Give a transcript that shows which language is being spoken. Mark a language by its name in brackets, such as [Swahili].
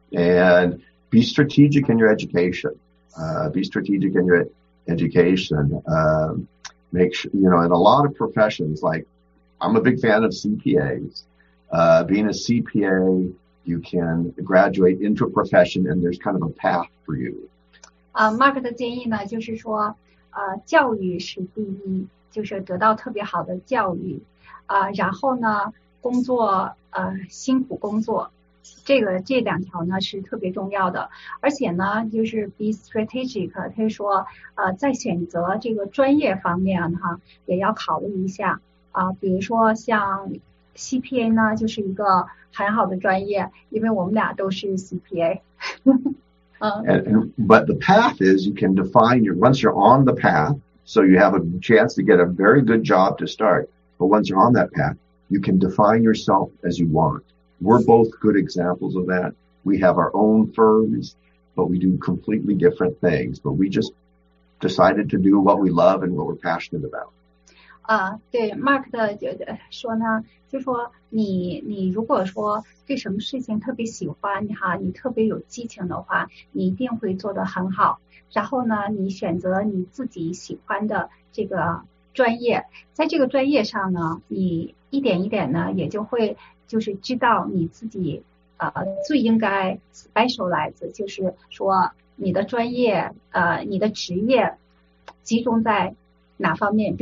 [English] And be strategic in your education. Be strategic in your education. Make sure, in a lot of professions, like I'm a big fan of CPAs. being a CPA, you can graduate into a profession and there's kind of a path for you. [Chinese] Mark 的建议呢就是说教育是第一，就是得到特别好的教育，然后呢工作，辛苦工作，这两条呢是特别重要的。而且呢就是 [English] be strategic， [Chinese] 他说在选择这个专业方面哈也要考虑一下比如说像 CPA 呢就是一个很好的专业，因为我们俩都是 CPA。 [English] But the path is you can define your, once you're on the path, so you have a chance to get a very good job to start. But once you're on that path, you can define yourself as you want. We're both good examples of that. We have our own firms, but we do completely different things. But we just decided to do what we love and what we're passionate about. [Chinese] 对 ,Mark 的说呢就说你如果说对什么事情特别喜欢哈，你特别有激情的话，你一定会做得很好。然后呢你选择你自己喜欢的这个专业，在这个专业上呢你一点一点呢也就会就是知道你自己最应该 specialize， 就是说你的专业你的职业集中在哪方面。